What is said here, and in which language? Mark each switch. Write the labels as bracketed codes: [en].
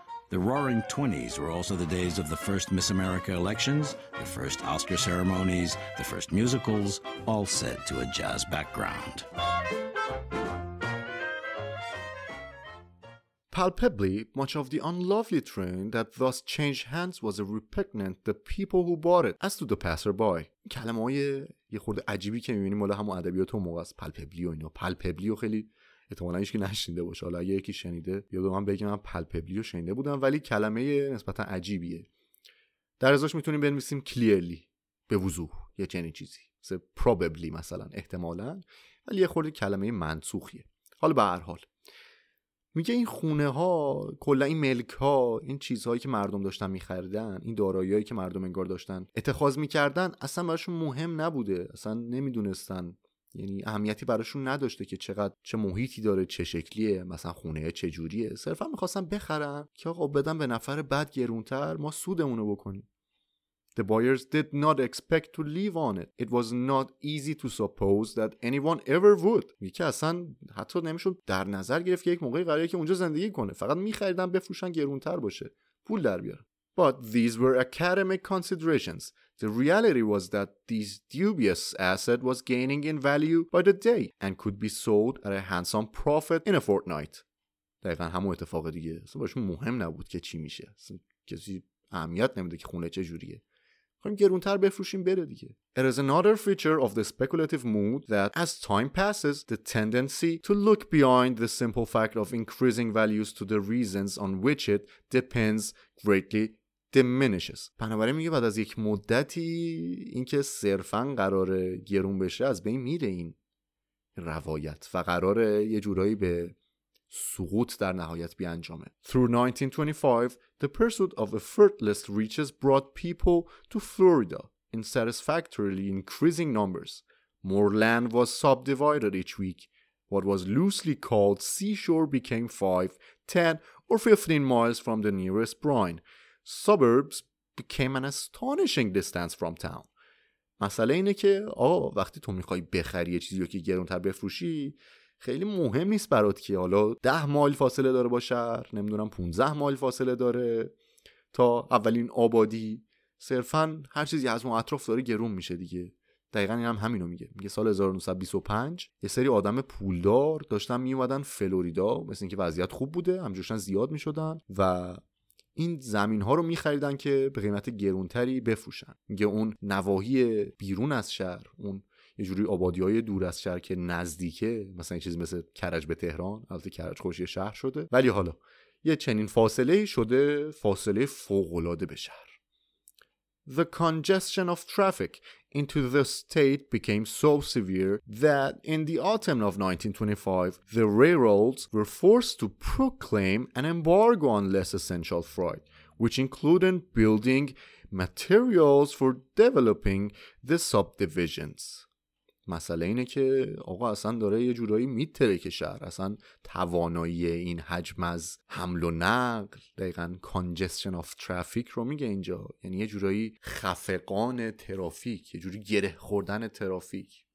[en] The roaring 20s were also the days of the first Miss America elections, the first Oscar ceremonies, the first musicals, all set to a jazz background. Palpably, much of the unlovely train that thus changed hands was a repugnant the people who bought it, as to the passerby. [fa] کلمه‌های یه خورده عجیبی که می‌بینیم مال همون ادبیات اون موقع است، پالپبلی و اینا. پالپبلی رو خیلی احتمالاً هیچ کی نشنیده باشه، حالا اگه یکی شنیده یادم من بگم من پالپبلی رو شنیده بودم، ولی کلمه نسبتاً عجیبیه. در ازاش میتونیم بنویسیم کلیرلی، به وضوح، یه چنین چیزی مثل پروببلی مثلا، احتمالاً، ولی یه خورده کلمه منسوخیه. حالا به هر حال میگه این خونه ها، کلا این ملک ها، این چیزهایی که مردم داشتن میخریدن، این دارایی که مردم انگار داشتن اتخاذ میکردن، اصلا براشون مهم نبوده، اصلا نمیدونستن، یعنی اهمیتی براشون نداشته که چقدر چه محیطی داره، چه شکلیه، مثلا خونه چجوریه، صرفا میخواستن بخرن که آقا بدن به نفر بعد گرونتر، ما سودمونو بکنیم. [en] The buyers did not expect to live on it. It was not easy to suppose that anyone ever would. [fa] یکی اصلا حتی نمیشون در نظر گرفت که یک موقعی قراره که اونجا زندگی کنه. فقط میخریدن بفروشن گرونتر باشه، پول در بیارن. [en] But these were academic considerations. The reality was that this dubious asset was gaining in value by the day and could be sold at a handsome profit in a fortnight. [fa] دقیقا همون اتفاق دیگه. اصلا باشون مهم نبود که چی میشه. کسی اهمیت نمیده که خونه چجوریه. خواهیم گرونتر بفروشیم بره دیگه. [en] It is another feature of the speculative mood that as time passes, the tendency to look behind the simple fact of increasing values to the reasons on which it depends greatly diminishes. [fa] بنابراین میگه بعد از یک مدتی اینکه صرفاً قراره گرون بشه از بین میره این روایت و قراره یه جورایی به سقوط در نهایت بیانجامه. [en] Through 1925, the pursuit of effortless riches brought people to Florida in satisfactorily increasing numbers. More land was subdivided each week. What was loosely called seashore became 5, 10, or 15 miles from the nearest brine. Suburbs became an astonishing distance from town. [fa] مسئله اینه که آه وقتی تو میخوای بخری یه چیزی رو که گرونتر بفروشی، خیلی مهم نیست برات که حالا 10 مایل فاصله داره با شهر، نمیدونم 15 مایل فاصله داره تا اولین آبادی، صرفاً هر چیزی از اون اطراف داره گرون میشه دیگه. دقیقاً اینم همینو میگه. میگه سال 1925 یه سری آدم پولدار داشتن میومدن فلوریدا، مثل اینکه وضعیت خوب بوده، همجوشن زیاد میشدن و این زمین‌ها رو می‌خریدن که به قیمت گرونتری بفروشن. میگه اون نواحی بیرون از شهر، اون یه جوری آبادی‌های دور از شهر که نزدیکه، مثلا این چیز مثل کرج به تهران، البته کرج خوش یه شهر شده، ولی حالا یه چنین فاصله‌ای شده فاصله فوق‌العاده به شهر. [en] The congestion of traffic into the state became so severe that in the autumn of 1925 the railroads were forced to proclaim an embargo on less essential freight, which included building materials for developing the subdivisions. [fa] مسئله اینه که آقا اصلا داره یه جورایی میترکه شهر، اصلا توانایی این حجم از حمل و نقل، دقیقاً [en] congestion of traffic [fa] رو میگه اینجا، یعنی یه جورایی خفقان ترافیک، یه جوری گره خوردن ترافیک.